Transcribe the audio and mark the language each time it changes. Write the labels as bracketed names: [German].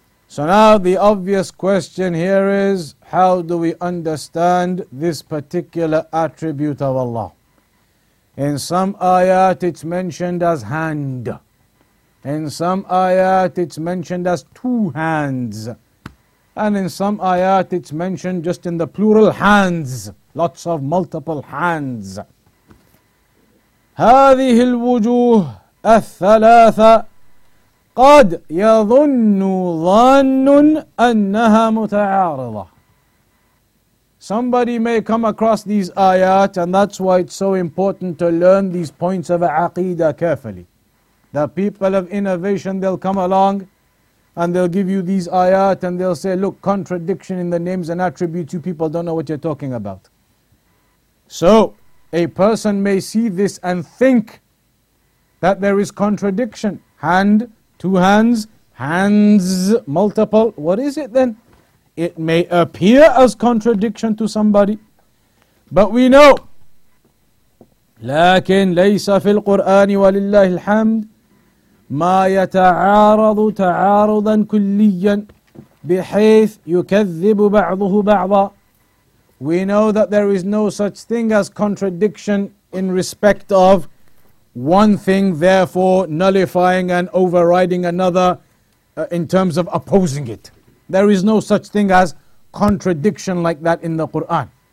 [English] So now the obvious question here is, how do we understand this particular attribute of Allah? In some ayat it's mentioned as hand. In some ayat it's mentioned as two hands. And in some ayat, it's mentioned just in the plural, hands. Lots of multiple hands. [Arabic] هذه الوجوه الثلاثة قد يظن ظن أنها متعارضة. [English] Somebody may come across these ayat, and that's why it's so important to learn these points of aqidah carefully. The people of innovation, they'll come along and they'll give you these ayat and they'll say, look, contradiction in the names and attributes, you people don't know what you're talking about. So, a person may see this and think that there is contradiction. Hand, two hands, hands, multiple. What is it then? It may appear as contradiction to somebody. But we know, [Arabic] لكن ليس في القرآن ولله الحمد ما يتعارض تعارضا كليا بحيث يكذب بعضه بعضا. [English] We know that there is no such thing as contradiction in respect of one thing, therefore nullifying and overriding another in terms of opposing it. There is no such thing as contradiction like that in the Quran.